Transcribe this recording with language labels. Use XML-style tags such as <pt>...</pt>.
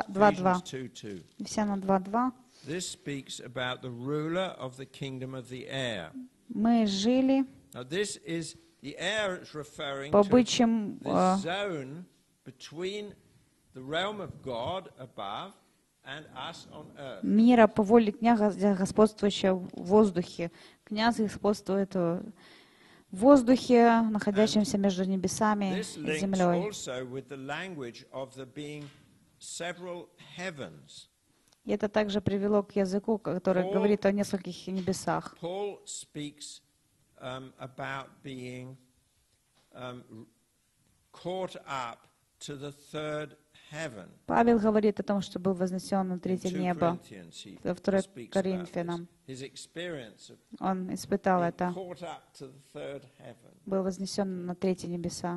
<en>2:2. This speaks about the ruler of the kingdom of the air.</en> <ru>Мы жили.</ru> <en>Now this is the air is referring to the zone between the realm of God above and us on earth.</en> <ru>Мира по воле князя господствующего в воздухе. Князь господствует в воздухе, находящемся между небесами и землей.</ru> <en>This links also with the language of the being several heavens.</en> <ru>И это также привело к языку, который говорит о нескольких небесах.</ru> <en>Paul speaks about being caught up to the third heaven.</en> <ru>Павел говорит о том, что был вознесен на третье небо. Во второй Коринфянам.</ru> <en>His experience of</en> <ru>он испытал это.</ru> <en>Caught up to the third heaven.</en> <ru>Был вознесен на третье небеса.</ru>